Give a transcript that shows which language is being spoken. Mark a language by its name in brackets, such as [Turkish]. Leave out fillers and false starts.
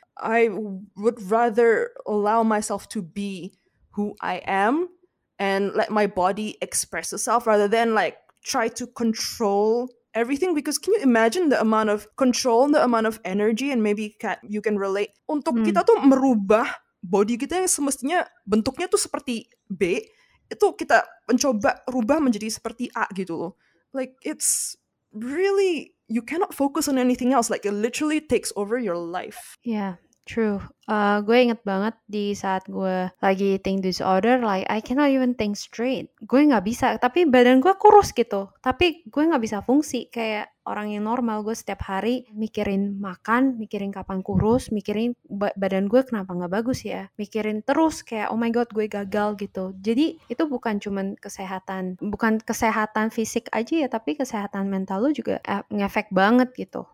[English] I would rather allow myself to be who I am and let my body express itself rather than like try to control everything. Because can you imagine the amount of control, the amount of energy, and maybe you can relate. [Indonesian] Untuk kita tuh merubah body kita yang semestinya bentuknya tuh seperti B, itu kita mencoba rubah menjadi seperti A gitu loh. [English] Like, it's really, you cannot focus on anything else. Like, it literally takes over your life. Yeah, true. [Indonesian] Gue inget banget di saat gue lagi [English] eating disorder, like, I cannot even think straight. [Indonesian] Gue gak bisa, tapi badan gue kurus gitu. Tapi gue gak bisa fungsi kayak orang yang normal. Gue setiap hari mikirin makan, mikirin kapan kurus, mikirin badan gue kenapa gak bagus ya. Mikirin terus kayak, [English] oh my god, [Indonesian] gue gagal gitu. Jadi itu bukan cuman kesehatan, bukan kesehatan fisik aja ya, tapi kesehatan mental lu juga ngefek banget gitu.